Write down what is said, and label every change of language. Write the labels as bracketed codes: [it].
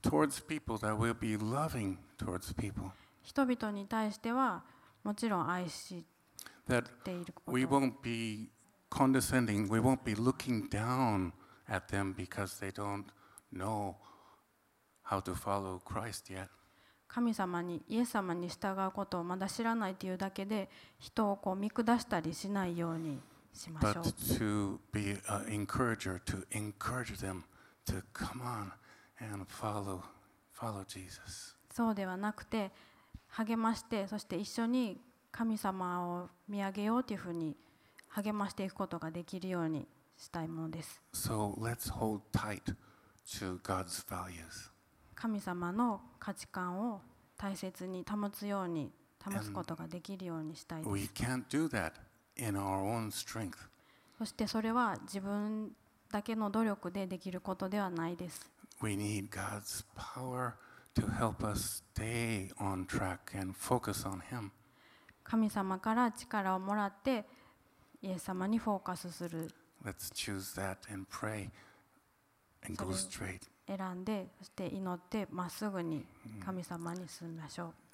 [en] Towards people that will be loving towards people. [ja] 人々に対してはもちろん愛し、 [en] that we won't be condescending, we won't be looking down at them because they don't know how to follow Christ yet. [ja] 神様に、イエス様に従うことをまだ知らないというだけで、人をこう見下したりしないようにしましょう。 [en] But to be an encourager, to encourage them to come on and follow Jesus. [ja] そうではなくて、励まして、そして一緒に神様を見上げようというふうに励ましていくことができるようにしたいものです。 [en] So let's hold tight to God's values. [ja] 神様の価値観を大切に保つように保つことができるようにしたいです。 [en] We can't do that in our own strength. [ja] そしてそれは自分だけの努力でできることではないです。 [en] We need God's power to help us stay on track and focus on Him. [ja] 神様から力をもらってイエス様にフォーカスする。 [en] Let's choose that and pray and go straight. [ja] 選んで、そして祈って、まっすぐに神様に進みましょう。